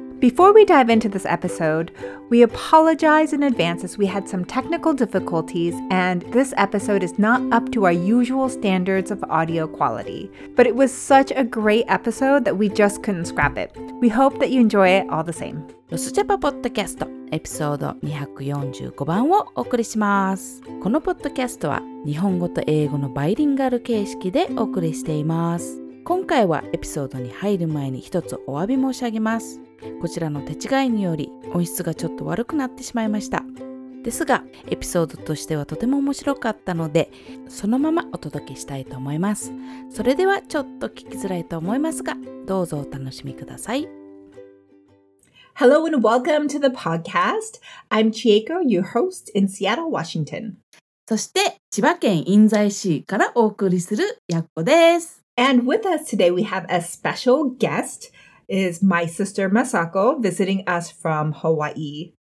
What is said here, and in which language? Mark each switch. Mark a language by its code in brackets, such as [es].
[en] Before we dive into this episode, we apologize in advance as we had some technical difficulties and this episode is not up to our usual standards of audio quality. But it was such a great episode that we just couldn't scrap it. We hope that you enjoy it all the same. [ja] ロスジャパポッドキャストエピソード245番をお送りします。このポッドキャストは日本語と英語のバイリンガル形式でお送りしています。今回はエピソードに入る前に一つお詫び申し上げます。こちらの手違いにより音質がちょっと悪くなってしまいました。ですがエピソードとしてはとても面白かったのでそのままお届けしたいと思います。それではちょっと聞きづらいと思いますがどうぞお楽しみください。 [en] Hello and welcome to the podcast. I'm Chieko, your host in Seattle, Washington. [ja] そして千葉県印西市からお送りするやっこです。 [en] And with us today, we have a special guest, is my sister Masako, visiting us from Hawaii.